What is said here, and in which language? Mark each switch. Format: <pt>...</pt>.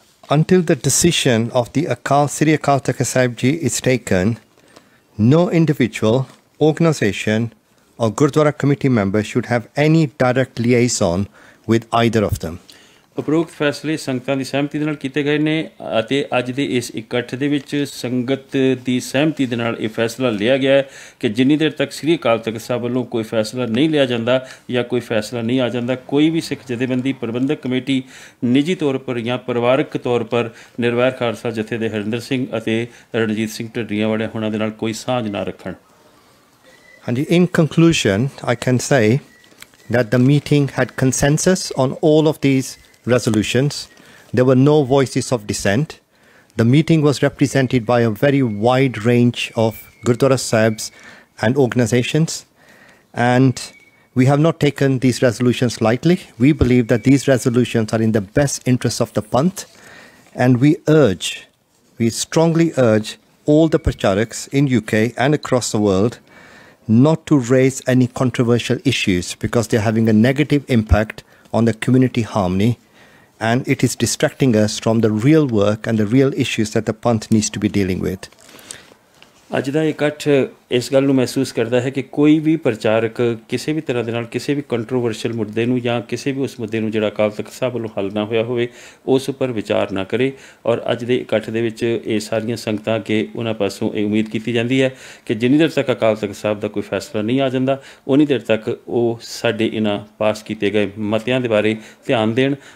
<en>Until the decision of the Akal Sri Akal Takht Sahib Ji is taken, no individual, organization or Gurdwara committee member should have any direct liaison with either of them.</en> <pa>ਉਪਰੋਕਤ ਫੈਸਲੇ ਸੰਗਤਾਂ ਦੀ ਸਹਿਮਤੀ ਦੇ ਨਾਲ ਕੀਤੇ ਗਏ ਨੇ ਅਤੇ ਅੱਜ ਦੇ ਇਸ ਇਕੱਠ ਦੇ ਵਿੱਚ ਸੰਗਤ ਦੀ ਸਹਿਮਤੀ ਦੇ ਨਾਲ ਇਹ ਫੈਸਲਾ ਲਿਆ ਗਿਆ ਕਿ ਜਿੰਨੀ ਦੇਰ ਤੱਕ ਸ੍ਰੀ ਅਕਾਲ ਤਖਤ ਸਾਹਿਬ ਵੱਲੋਂ ਕੋਈ ਫੈਸਲਾ ਨਹੀਂ ਲਿਆ ਜਾਂਦਾ ਜਾਂ ਕੋਈ ਫੈਸਲਾ ਨਹੀਂ ਆ ਜਾਂਦਾ, ਕੋਈ ਵੀ ਸਿੱਖ ਜਥੇਬੰਦੀ ਪ੍ਰਬੰਧਕ ਕਮੇਟੀ ਨਿੱਜੀ ਤੌਰ ਉੱਪਰ ਜਾਂ ਪਰਿਵਾਰਕ ਤੌਰ ਉੱਪਰ ਨਿਰਵੈਰ ਖਾਲਸਾ ਜਥੇ ਦੇ ਹਰਿੰਦਰ ਸਿੰਘ ਅਤੇ ਰਣਜੀਤ ਸਿੰਘ ਢੱਡਰੀਆਂ ਵਾਲੇ ਹੁਣਾਂ ਦੇ ਨਾਲ ਕੋਈ ਸਾਂਝ ਨਾ ਰੱਖਣ।</pa> <en>ਹਾਂਜੀ, in conclusion I can say that the meeting had consensus on all of these resolutions. There were no voices of dissent. The meeting was represented by a very wide range of Gurdwara Sahibs and organizations, and we have not taken these resolutions lightly. We believe that these resolutions are in the best interest of the Panth, and we strongly urge all the Pracharaks in UK and across the world not to raise any controversial issues because they are having a negative impact on the community harmony. And it is distracting us from the real work and the real issues that the Panth needs to be dealing with.</en> <pa>ਅੱਜ ਦਾ ਇਕੱਠ ਇਸ ਗੱਲ ਨੂੰ ਮਹਿਸੂਸ ਕਰਦਾ ਹੈ ਕਿ ਕੋਈ ਵੀ ਪ੍ਰਚਾਰਕ ਕਿਸੇ ਵੀ ਤਰ੍ਹਾਂ ਦੇ ਨਾਲ ਕਿਸੇ ਵੀ ਕੰਟਰੋਵਰਸ਼ੀਅਲ ਮੁੱਦੇ ਨੂੰ ਜਾਂ ਕਿਸੇ ਵੀ ਉਸ ਮੁੱਦੇ ਨੂੰ ਜਿਹੜਾ ਅਕਾਲ ਤਖ਼ਤ ਸਾਹਿਬ ਵੱਲੋਂ ਹੱਲ ਨਾ ਹੋਇਆ ਹੋਵੇ ਉਸ ਉੱਪਰ ਵਿਚਾਰ ਨਾ ਕਰੇ। ਔਰ ਅੱਜ ਦੇ ਇਕੱਠ ਦੇ ਵਿੱਚ ਇਹ ਸਾਰੀਆਂ ਸੰਗਤਾਂ ਅੱਗੇ ਉਹਨਾਂ ਪਾਸੋਂ ਇਹ ਉਮੀਦ ਕੀਤੀ ਜਾਂਦੀ ਹੈ ਕਿ ਜਿੰਨੀ ਦੇਰ ਤੱਕ ਅਕਾਲ ਤਖ਼ਤ ਸਾਹਿਬ ਦਾ ਕੋਈ ਫੈਸਲਾ ਨਹੀਂ ਆ ਜਾਂਦਾ ਉਨੀ ਦੇਰ ਤੱਕ ਉਹ ਸਾਡੇ ਇਹਨਾਂ ਪਾਸ ਕੀਤੇ ਗਏ ਮਤਿਆਂ ਦੇ ਬਾਰੇ ਧਿਆਨ ਦੇਣ।</pa>